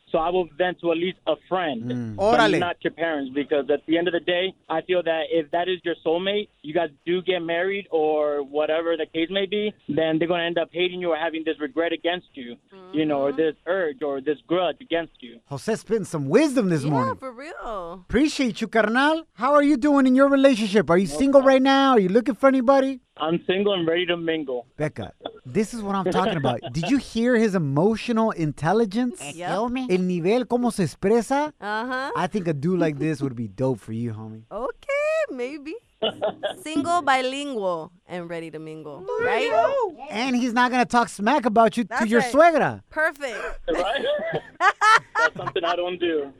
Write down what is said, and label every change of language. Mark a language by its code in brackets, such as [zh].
[en] So I will vent to at least a friend, but not your parents, because at the end of the day, I feel that if that is your soulmate, you guys do get married or whatever the case may be, then they're going to end up hating you or having this regret against you, you know, or this urge or this grudge against you. Jose spitting some wisdom this morning. Yeah, for real. Appreciate you, carnal. How are you doing in your relationship? Are you single right now? Are you looking for anybody? I'm single and ready to mingle. Becca, this is what I'm talking about. Did you hear his emotional intelligence? [es] El nivel como se expresa? [en] I think a dude like this would be dope for you, homie. Okay, maybe. Single, bilingual, and ready to mingle. Right? And he's not going to talk smack about you to your suegra. Perfect. Right? That's something I don't do.